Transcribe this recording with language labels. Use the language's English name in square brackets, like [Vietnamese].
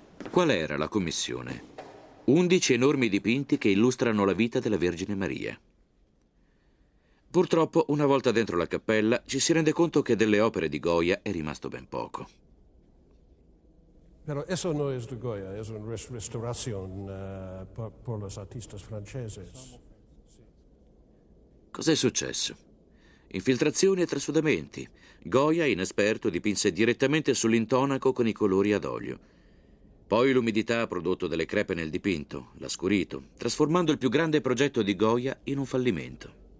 [Italian] Qual era la commissione? 11 enormi dipinti che illustrano la vita della Vergine Maria. Purtroppo, una volta dentro la cappella, ci si rende conto che delle opere di Goya è rimasto ben poco. [Spanish] Però eso no es de Goya, es una restauración por los artistas franceses. [Italian] Cos'è successo? Infiltrazioni e trasudamenti. Goya, inesperto, dipinse direttamente sull'intonaco con i colori ad olio. Poi l'umidità ha prodotto delle crepe nel dipinto, l'ha scurito, trasformando il più grande progetto di Goya in un fallimento.